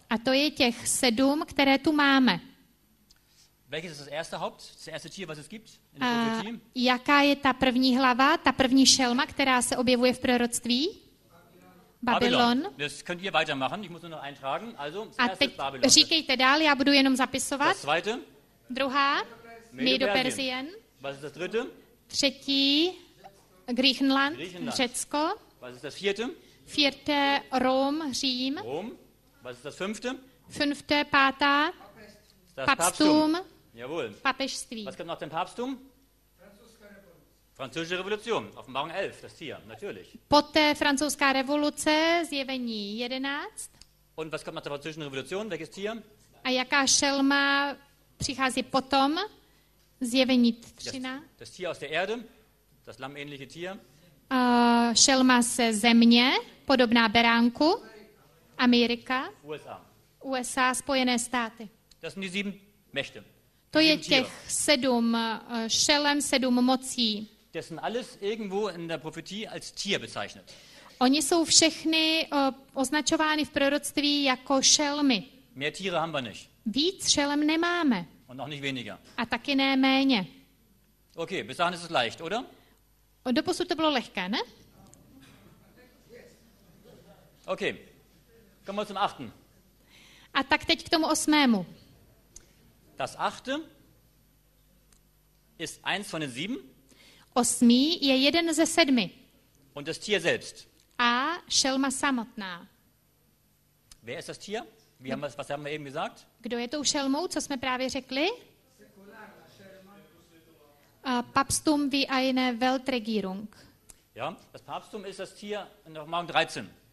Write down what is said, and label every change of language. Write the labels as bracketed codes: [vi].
[cs] A to je těch sedm, které tu máme. [de] Welches ist das erste Haupt, das erste Tier, was es gibt? [cs] Jaká je ta první hlava, ta první šelma, která se objevuje v proroctví? [de] Babylon. Das könnt ihr weitermachen. Ich muss nur noch eintragen. Also, Babylon. [cs] Říkejte dál, já budu jenom zapisovat. [de] Das zweite. [cs] Druhá. Medo-Persien. [de] Was ist das dritte? [cs] Třetí. Griechenland. Řecko. [de] Was ist das vierte? Vierte. Rom. Řím. Rom. Was ist das fünfte? Fünfte. Pátá. Papsttum. Jawohl. [cs] Papežství. [de] Was kommt nach dem Papsttum? Französische Revolution, Offenbarung 11, das Tier, natürlich. [cs] Poté francouzská revoluce, Zjevení 11. [de] Und was kommt nach der französischen Revolution, welches Tier? [cs] A jaká šelma přichází potom, Zjevení 13? [de] Das Tier aus der Erde, das lammähnliche Tier. [cs] Šelma se země, podobná beránku, Amerika. USA. USA, Spojené státy. [de] Das sind die sieben Mächte. [cs] To je těch sedm šelem, sedm mocí. [de] Das sind alles irgendwo in der Prophetie als Tier bezeichnet. [cs] Oni jsou všechny označovány v proroctví jako šelmy. [de] Mehr Tiere haben wir nicht. [cs] Víc šelem nemáme. [de] Und auch nicht weniger. [cs] A taky ne méně. [de] Okay, bis dahin ist es leicht, oder? [cs] Und doposud to bylo lehké, ne? [de] Okay. Kommen wir zum achten. [cs] A tak teď k tomu osmému. [de] Das achte ist eins von den sieben. [cs] Osmý je jeden ze sedmi. [de] Und das Tier selbst. [cs] A šelma samotná. [de] Wer ist das Tier? Wie haben wir, was haben wir eben gesagt? [cs] Kdo je tou šelmou, co jsme právě řekli? [de] Papstum wie eine Weltregierung. Ja, das Papstum ist das Tier in Offenbarung 13.